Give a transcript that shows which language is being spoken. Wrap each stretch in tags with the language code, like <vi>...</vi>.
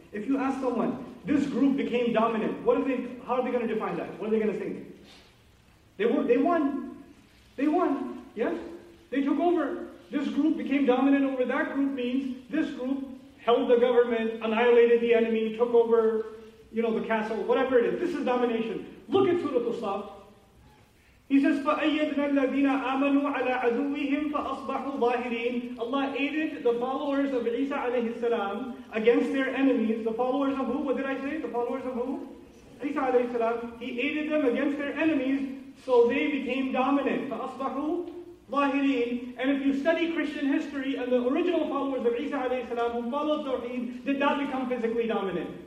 <en>If you ask someone, this group became dominant, what are they, how are they going to define that? What are they going to think? They won. They won. Yes? They took over. This group became dominant over that group means this group held the government, annihilated the enemy, took over, you know, the castle, whatever it is. This is domination. Look at Surah Al-Saf. He says,</en> <ar>فَأَيَّدْنَا الَّذِينَ آمَنُوا عَلَىٰ عَدُوِّهِمْ فَأَصْبَحُوا ظَاهِرِينَ.</ar> <en>Allah aided the followers of Isa alayhi salam against their enemies. The followers of who? What did I say? The followers of who? Isa alayhi salam. He aided them against their enemies, so they became dominant.</en> <ar>فَأَصْبَحُوا ظَاهِرِينَ.</ar> <en>And if you study Christian history, and the original followers of Isa alayhi salam who followed Tawheed did not become physically dominant.</en>